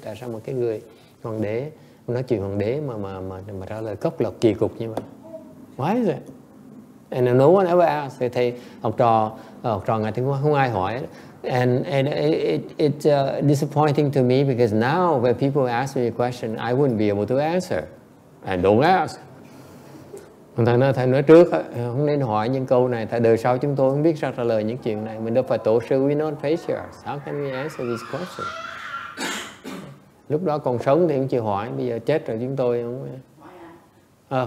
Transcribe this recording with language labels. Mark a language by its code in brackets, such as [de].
[vi] Tại sao một cái người hoàng đế nói chuyện hoàng đế mà trả lời cốc lập kỳ cục như vậy? [en] Why is it? And no one ever asked. [vi] Thầy học trò ngài Thiên Hóa không ai hỏi. [en] And it's disappointing to me because now when people ask me a question, I wouldn't be able to answer. And don't ask. [vi] Thầy nói trước không nên hỏi những câu này, tại đời sau chúng tôi không biết sao trả lời những chuyện này. Mình đâu phải tổ sư, [en] we're not patriarchs. How can we answer this question? [vi] Lúc đó còn sống thì cũng chịu hỏi, bây giờ chết rồi chúng tôi không.